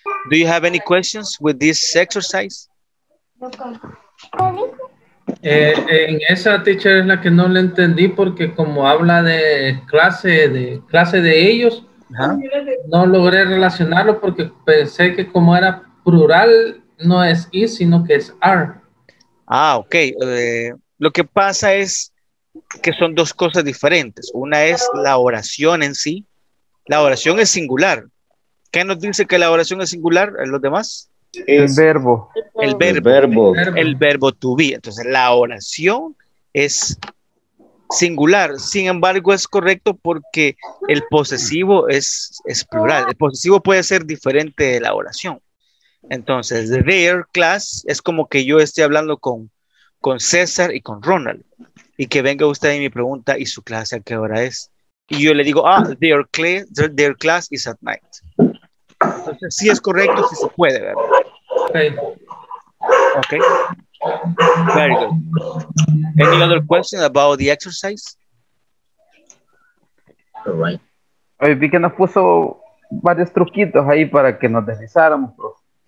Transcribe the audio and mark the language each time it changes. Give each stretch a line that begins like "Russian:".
English: Do you have any questions with this exercise?
Spanish: En esa teacher es la que no le entendí porque como habla de clase de ellos, no logré relacionarlo porque pensé que como era plural, no es is, sino que es are. Ah, ok. Lo que pasa es que son dos cosas diferentes. Una es la oración en sí. La oración es singular. ¿Qué nos dice que la oración es singular en los demás? El verbo to be. Entonces, la oración es singular. Sin embargo, es correcto porque el posesivo es plural. El posesivo puede ser diferente de la oración. Entonces,
English: their class
Spanish: es como que yo esté hablando con César y con Ronald. Y que venga usted y me pregunta, ¿y su clase a qué hora es? Y yo le digo,
English: their class is at night.
Spanish: Entonces, sí es correcto, sí se puede, ¿verdad? Ok.
English: Very good. Any other question about the exercise? All right.
Spanish: Vi que nos puso varios truquitos ahí para que nos deslizáramos, profe.